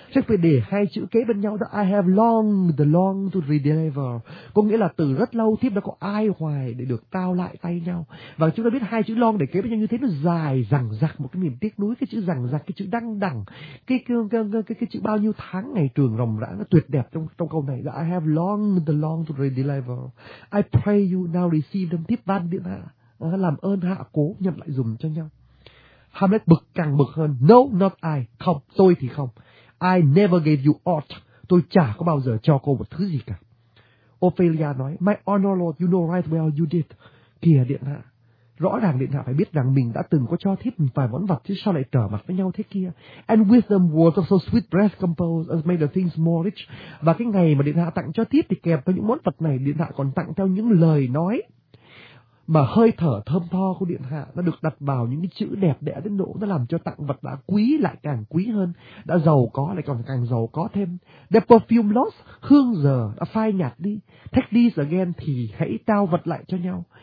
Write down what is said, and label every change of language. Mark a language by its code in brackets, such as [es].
[vi] Chắc phải để hai chữ kế bên nhau đó, [en] I have longed long to deliver. [vi] Có nghĩa là từ rất lâu thiếp đã có ai hoài để được tao lại tay nhau. Và chúng ta biết hai chữ long để kế bên nhau như thế nó dài dằng dặc, một cái niềm tiếc nuối, cái chữ dằng dặc, cái chữ đăng đẳng, cái chữ bao nhiêu tháng ngày trường ròng rã, nó tuyệt đẹp trong câu này. [en] I have longed long to deliver. I pray you now receive them. [vi] Tiếp văn điện hạ, làm ơn hạ cố nhận lại dùng cho nhau. Hamlet bực càng bực hơn. [en] No, not I. [vi] Không, tôi thì không. [en] I never gave you aught. [vi] Tôi chả có bao giờ cho cô một thứ gì cả. [en] Ophelia [vi] nói, [en] my honor lord, you know right well you did. [vi] Kìa điện hạ, rõ ràng điện hạ phải biết rằng mình đã từng có cho thiếp một vài món vật, chứ sao lại trở mặt với nhau thế kia. [en] And wisdom was of so sweet breath composed as made the things more rich. [vi] Và cái ngày mà điện hạ tặng cho thiếp thì kèm theo những món vật này, điện hạ còn tặng theo những lời nói mà hơi thở thơm tho của điện hạ nó được đặt vào những cái chữ đẹp đẽ đến độ nó làm cho tặng vật đã quý lại càng quý hơn, đã giàu có lại còn càng giàu có thêm. [en] The perfume lost, [vi] hương giờ đã phai nhạt đi. [en] Take this again, [vi] thì hãy trao vật lại cho nhau.